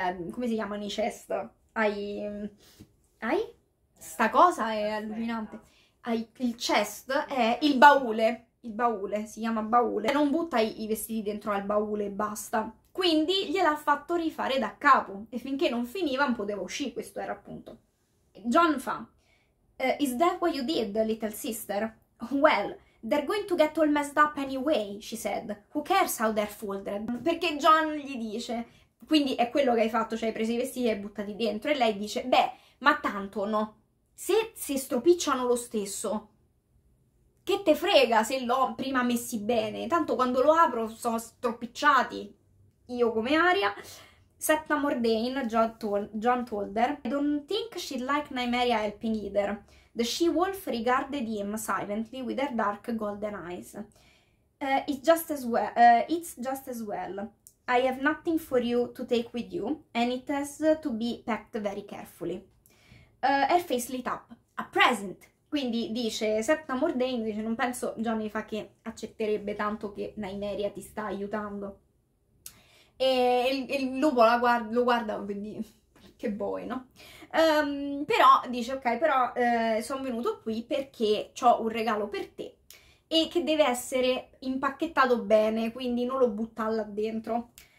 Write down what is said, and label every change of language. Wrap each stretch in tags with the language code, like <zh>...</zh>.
<it>come si chiamano i chest? Ai? Sta cosa è allucinante. Il chest è il baule. Il baule, si chiama baule. Non butta i vestiti dentro al baule e basta. Quindi gliel'ha fatto rifare da capo. E finché non finiva non poteva uscire, questo era appunto.</it> <en>John fa: is that what you did, little sister? Well, they're going to get all messed up anyway, she said. Who cares how they're folded?</en> <it>Perché John gli dice: quindi è quello che hai fatto, cioè hai preso i vestiti e hai buttati dentro. E lei dice: beh, ma tanto no. Se si stropicciano lo stesso, che te frega se l'ho prima messi bene? Tanto quando lo apro sono stropicciati. Io come Arya.</it> <en>Septa Mordain, John told her, I don't think she'd like Nymeria helping either. The she-wolf regarded him silently with her dark golden eyes. It's just as well. I have nothing for you to take with you, and it has to be packed very carefully. Her face lit up. A present!</en> <it>Quindi dice Septa Mordain, dice, non penso Johnny fa che accetterebbe tanto che Nymeria ti sta aiutando. E il lupo lo guarda, quindi che boy, no? Però dice: ok, però sono venuto qui perché ho un regalo per te e che deve essere impacchettato bene, quindi non lo butta là dentro.</it>